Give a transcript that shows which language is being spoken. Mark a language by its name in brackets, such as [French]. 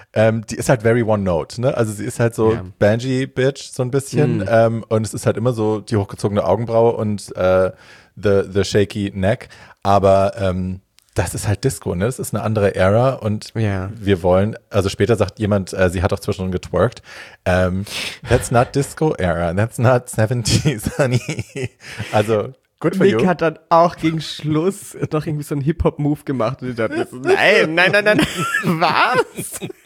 [German] Die ist halt very one-note, ne? Also sie ist halt so, yeah, Benji-Bitch so ein bisschen. Mm. Und es ist halt immer so die hochgezogene Augenbraue und [English] the shaky neck. [German] Aber das ist halt Disco, ne? Das ist eine andere Era und wir wollen, also später sagt jemand, sie hat auch zwischendrin getwerkt. [English] That's not Disco Era, that's not 70s, honey. Also, good for Mick you. [German] Mick hat dann auch gegen Schluss noch irgendwie so einen Hip-Hop-Move gemacht und ich dachte, nein, was?